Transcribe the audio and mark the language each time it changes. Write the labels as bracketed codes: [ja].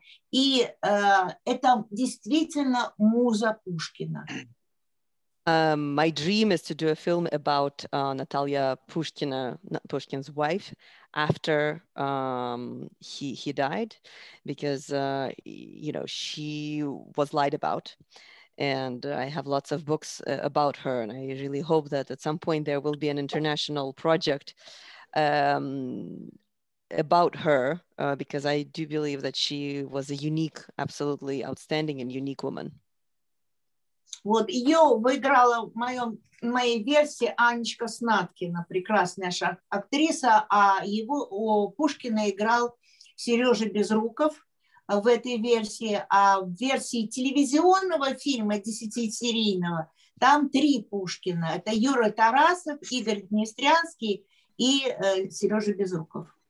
[ru] И это действительно муза Пушкина. [en] My dream is to do a film about Natalia Pushkina, Pushkin's wife, after he died, because, you know, she was lied about. And I have lots of books about her, and I really hope that at some point there will be an international project about her, because I do believe that she was a unique, absolutely outstanding and unique woman. [ru] Вот ее выиграла в моей версии Анечка Снаткина, прекрасная наша актриса, а его у Пушкина играл Сережа Безруков в этой версии, а в версии телевизионного фильма десятисерийного там три Пушкина: это Юра Тарасов, Игорь Днестрянский и Сережа Безруков.